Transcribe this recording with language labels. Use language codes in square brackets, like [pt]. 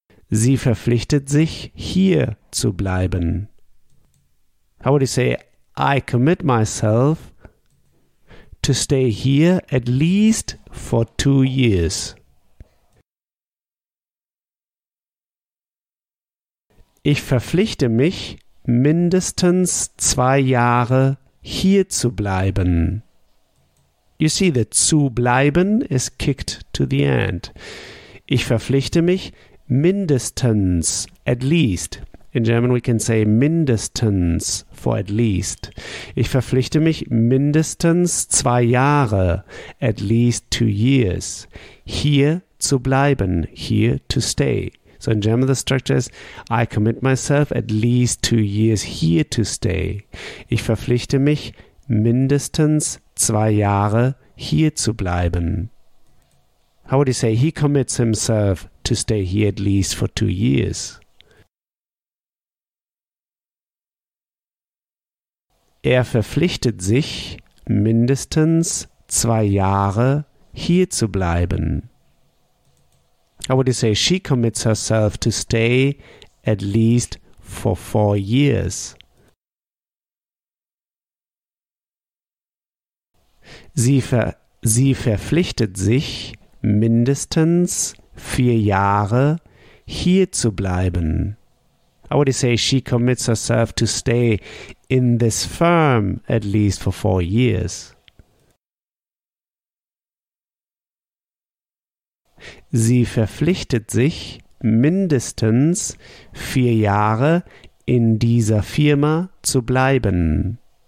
[de] Sie verpflichtet sich, hier zu bleiben. [en] How would you say I commit myself to stay here at least for 2 years. [de] Ich verpflichte mich, mindestens 2 Jahre hier zu bleiben. [en] You see, the [de] zu bleiben [en] is kicked to the end. [de] Ich verpflichte mich, mindestens, [en] at least. In German we can say mindestens for at least. [de] Ich verpflichte mich mindestens 2 Jahre, [en] at least 2 years, [de] hier zu bleiben, [en] here to stay. So in German the structure is, I commit myself at least 2 years here to stay. [de] Ich verpflichte mich mindestens 2 Jahre hier zu bleiben. [en] How would you say, he commits himself to stay here at least for 2 years? [de] Er verpflichtet sich, mindestens 2 Jahre hier zu bleiben. [en] How would you say, she commits herself to stay at least for 4 years? [de] Sie verpflichtet sich, mindestens 4 Jahre hier zu bleiben. [en] How would you say she commits herself to stay in this firm at least for 4 years? [de] Sie verpflichtet sich, mindestens 4 Jahre in dieser Firma zu bleiben.